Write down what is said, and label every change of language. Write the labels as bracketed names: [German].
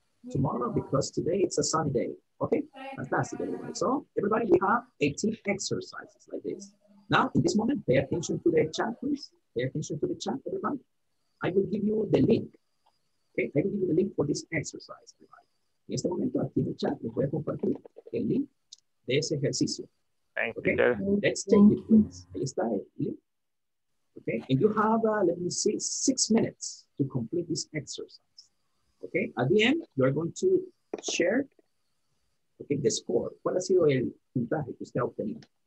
[English] tomorrow because today it's a sunny day. Okay, fantastic, everyone. So everybody, we have 18 exercises like this. Now, in this moment, pay attention to the chat, please. Pay attention to the chat, everybody. I will give you the link. Okay, I will give you the link for this exercise, everybody. [Spanish] En este momento, aquí en el chat, les voy a compartir el link de ese ejercicio. [English] Thank okay, you. Let's take it, please. [Spanish] Ahí está el link. [English] Okay, and you have, let me see, 6 minutes to complete this exercise. Okay, at the end, you are going to share, okay, the score. [Spanish] ¿Cuál ha sido el puntaje que usted ha obtenido?